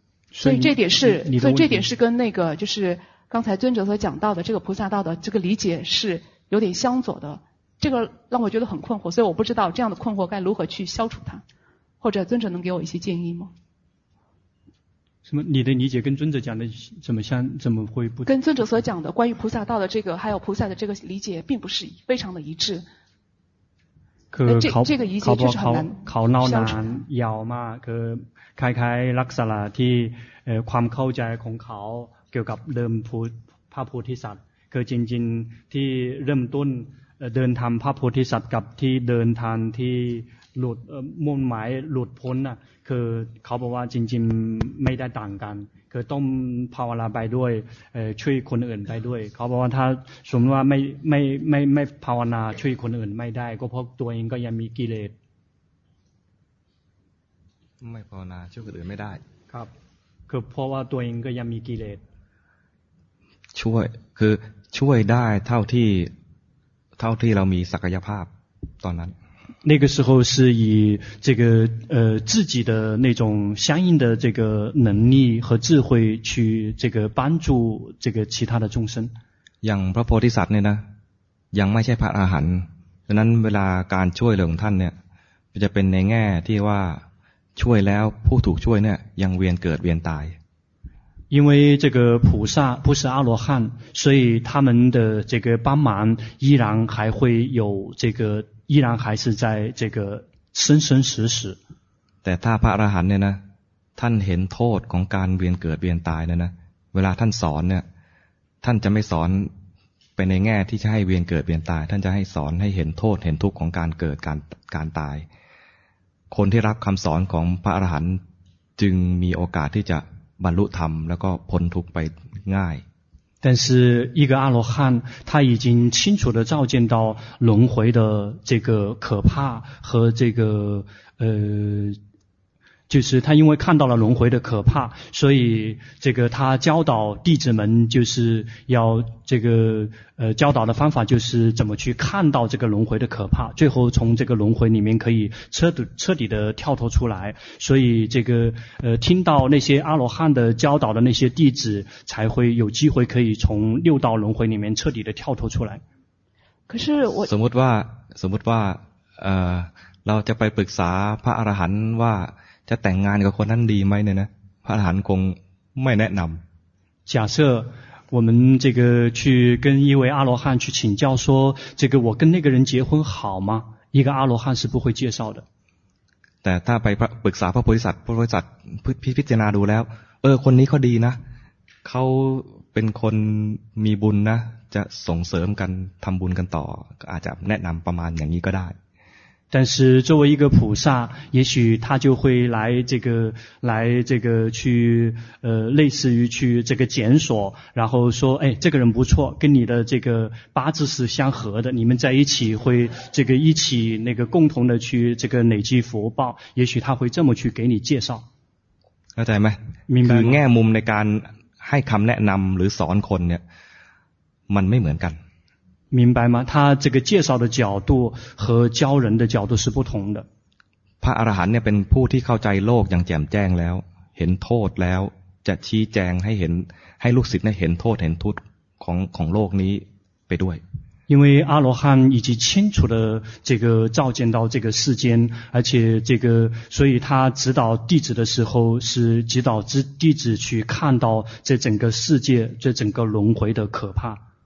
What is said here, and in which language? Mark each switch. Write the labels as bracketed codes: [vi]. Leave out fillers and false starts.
[zh] 所以这点是，所以这点是跟那个就是刚才尊者所讲到的这个菩萨道的这个理解是有点相左的，这个让我觉得很困惑，所以我不知道这样的困惑该如何去消除它，或者尊者能给我一些建议吗？什么？你的理解跟尊者讲的怎么会不？跟尊者所讲的关于菩萨道的这个还有菩萨的这个理解并不是非常的一致。 [th] คือเขา บอก เขาเล่านานยาวมากคือคล้ายๆลักษณะที่ความเข้าใจของเขาเกี่ยวกับเดิมพระโพธิสัตว์คือจริงๆที่เริ่มต้นเดินทางพระโพธิสัตว์กับที่เดินทางที่หลุดมุ่งหมายหลุดพ้นน่ะคือเขาบอกว่าจริงๆไม่ได้ต่างกันคือต้องภาวนาไปด้วยช่วยคนอื่นไปด้วยเขาบอกว่าถ้าสมมติว่าไม่ภาวนาช่วยคนอื่นไม่ได้ก็เพราะตัวเองก็ยังมีกิเลส ไม่ภาวนาช่วยคนอื่นไม่ได้ครับคือเพราะว่าตัวเองก็ยังมีกิเลส ช่วยคือช่วยได้เท่าที่เรามีศักยภาพตอนนั้น [zh] 那个时候是以这个自己的那种相应的这个能力和智慧去这个帮助这个其他的众生。 [th] อย่างพระโพธิสัตว์เนี่ยนะยังไม่ใช่พระอรหันต์ฉะนั้นเวลาการช่วยเหลืองท่านเนี่ยจะเป็นในแง่ที่ว่าช่วยแล้วผู้ถูกช่วยเนี่ยยังเวียนเกิดเวียนตาย [zh] 因为这个菩萨不是阿罗汉，所以他们的这个帮忙依然还会有这个。依然还是在这个生生死死。 [th] แต่ถ้าพระอรหันต์เนี่ยนะท่านเห็นโทษของการเวียนเกิดเวียนตายเนี่ยนะเวลาท่านสอนเนี่ยท่านจะไม่สอนไปในแง่ที่จะให้เวียนเกิดเวียนตายท่านจะให้สอนให้เห็นโทษเห็นทุกข์ของการเกิดการตายคนที่รับคำสอนของพระอรหันต์จึงมีโอกาสที่จะบรรลุธรรมแล้วก็พ้นทุกข์ไปง่าย [zh] 但是一个阿罗汉他已经清楚地照见到轮回的这个可怕和这个就是他因为看到了轮回的可怕，所以这个他教导弟子们就是要这个教导的方法就是怎么去看到这个轮回的可怕，最后从这个轮回里面可以彻底的跳脱出来。所以这个听到那些阿罗汉的教导的那些弟子，才会有机会可以从六道轮回里面彻底的跳脱出来。可是我 [th] สมมติว่าสมมติว่าเราจะไปปรึกษาพระอรหันต์ว่าจะแต่งงานกับคนนั้นดีไหมเนี่ยนะพระอรหันต์คงไม่แนะนำ [zh] 假设我们这个去跟一位阿罗汉去请教说这个我跟那个人结婚好吗一个阿罗汉是不会介绍的 [th] แต่ถ้าไปปรึกษาพระโพธิสัตว์พระโพธิสัตว์พิจารณาดูแล้วคนนี้เขาดีนะเขาเป็นคนมีบุญนะจะส่งเสริมกันทำบุญกันต่ออาจจะแนะนำประมาณอย่างนี้ก็ได้ [zh] 但是作为一个菩萨，也许他就会来这个，来这个去，类似于去这个检索，然后说，哎，这个人不错，跟你的这个八字是相合的，你们在一起会这个一起那个共同的去这个累积福报，也许他会这么去给你介绍。 [th] เข้าใ จไหม？ คือแง่มุมในการให้คำแนะนำหรือสอนคนเนี่ย，มันไม่เหมือนกัน。 [zh] 明白吗？他这个介绍的角度和教人的角度是不同的。 [th] พระอรหันต์เนี่ยเป็นผู้ที่เข้าใจโลกอย่างแจ่มแจ้งแล้วเห็นโทษแล้วจะชี้แจงให้เห็นให้ลูกศิษย์เนี่ยเห็นโทษเห็นทุกข์ของโลกนี้ไปด้วย [zh] 因为阿罗汉已经清楚的这个照见到这个世间，而且这个，所以他指导弟子的时候是指导弟子去看到这整个世界、这整个轮回的可怕。